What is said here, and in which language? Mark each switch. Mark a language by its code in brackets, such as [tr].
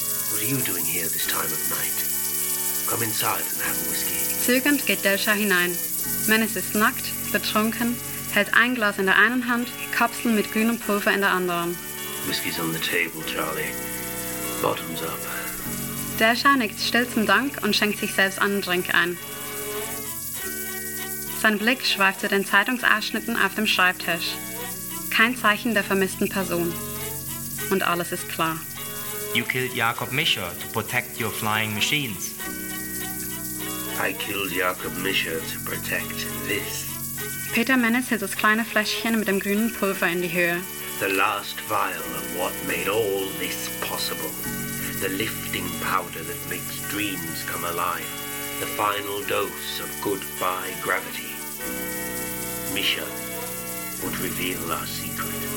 [en] What are you doing here this time of night? Come inside and have a whiskey. [de] Zögernd geht Delschau hinein. Mennes ist nackt, betrunken, hält ein Glas in der einen Hand, Kapseln mit grünem Pulver in der anderen. [en] Whiskey's on the table, Charlie. Bottoms up. [de] Delschau nickt still zum Dank und schenkt sich selbst einen Drink ein. Sein Blick schweift zu den Zeitungsausschnitten auf dem Schreibtisch. Kein Zeichen der vermissten Person. Und alles ist klar. [en] You killed Jakob Mischer to protect your flying machines. I killed Jakob Mischer to protect this. [de] Peter Mennes hält das kleine Fläschchen mit dem grünen Pulver in die Höhe. [en] The last vial of what made all this possible. The lifting powder that makes dreams come alive. The final dose of goodbye gravity. Mischer would reveal our secret.